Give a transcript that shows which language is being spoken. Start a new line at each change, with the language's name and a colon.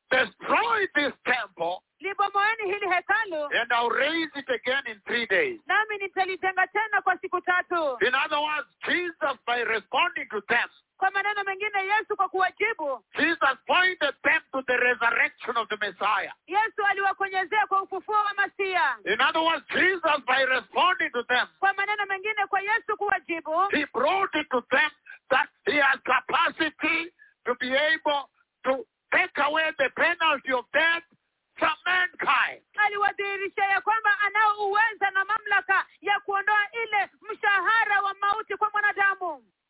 English: destroy this temple.
Swahili: Libomoeni hili hekalu.
English: And I'll raise it again in 3 days.
Swahili: Nami nitalijenga tena kwa siku tatu.
English: In other words, Jesus by responding to them.
Swahili: Kwa maneno mengine Yesu kwa kuwajibu.
English: Jesus pointed them to the resurrection of the Messiah.
Swahili: Yesu aliwakonyezea kwa ufufuo wa Masia.
English: In other words, Jesus by responding to them.
Swahili: Kwa maneno mengine kwa Yesu kuwajibu.
English: He brought it to them that he has capacity to be able to take away the penalty of death from mankind.
Swahili: Aliwadhihirishia ya kwamba anao uwezo na mamlaka ya kuondoa ile mshahara wa mauti kwa mwanadamu.